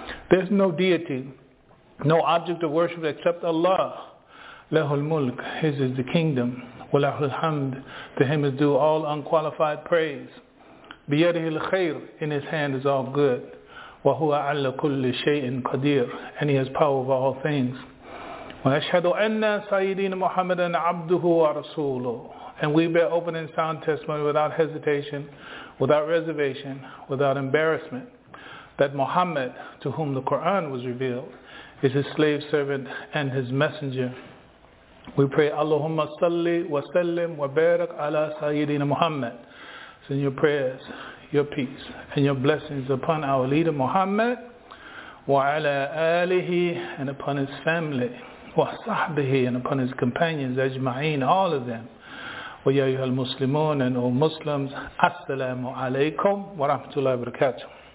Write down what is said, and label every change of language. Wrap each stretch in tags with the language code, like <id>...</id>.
<en>There's no deity, no object of worship except Allah.</en> <ar>لَهُ الْمُلْكِ.</ar> <en>His is the kingdom.</en> <ar>وَلَهُ الْحَمْدِ.</ar> <en>To him is due all unqualified praise.</en> <ar>بِيَدِهِ الْخَيْرِ.</ar> <en>In his hand is all good.</en> <ar>وَهُوَ عَلَّ كُلِّ شَيْءٍ قَدِيرٍ.</ar> <en>And he has power over all things.</en> <ar>وأشهد أن سيدنا محمد عبده ورسوله.</ar> <en>And we bear open and sound testimony without hesitation, without reservation, without embarrassment, that Muhammad, to whom the Quran was revealed, is his slave servant and his messenger. We pray,</en> <ar>Allahumma salli wa sallim wa barak ala sayyidina Muhammad.</ar> <en>Send your prayers, your peace, and your blessings upon our leader Muhammad</en> <ar>wa ala alihi,</ar> <en>and upon his family.</en> <ar>وَصَحْبِهِ,</ar> <en>and upon his companions,</en> <ar>أَجْمَعِينَ,</ar> <en>all of them.</en> <ar>وَيَا أَيُّهَا الْمُسْلِمُونَ,</ar> <en>and all Muslims,</en> <ar>أَسْسَلَامُ عَلَيْكُمْ وَرَحْمَةُ اللَّهِ وَبَرَكَاتُهُ.</ar>